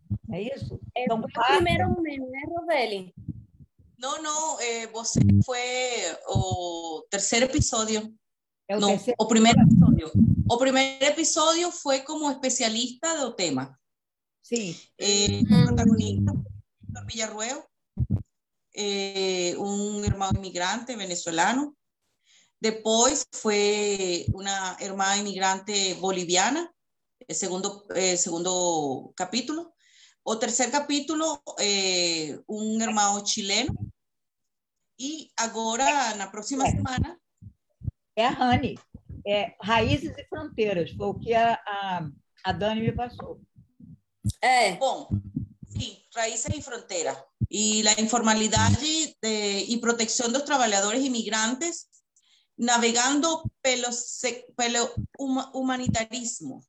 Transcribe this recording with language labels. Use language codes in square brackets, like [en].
[pt] É isso? Então, foi o primeiro momento, né, Rosbelli? Não, não, você foi o terceiro episódio. É o, não, terceiro? O primeiro episódio. O primeiro episódio foi como especialista do tema. [es] Sí. Protagonista, Víctor Villarruel, un hermano inmigrante venezolano. Después fue una hermana inmigrante boliviana, el segundo capítulo. O tercer capítulo, un hermano chileno. Y ahora, en la próxima semana. [pt] É a Rani, é Raízes e Fronteiras, foi o que a Dani me passou. É. Bom, sim, Raízes e Fronteiras. E a informalidade e proteção dos trabalhadores imigrantes navegando pelo humanitarismo.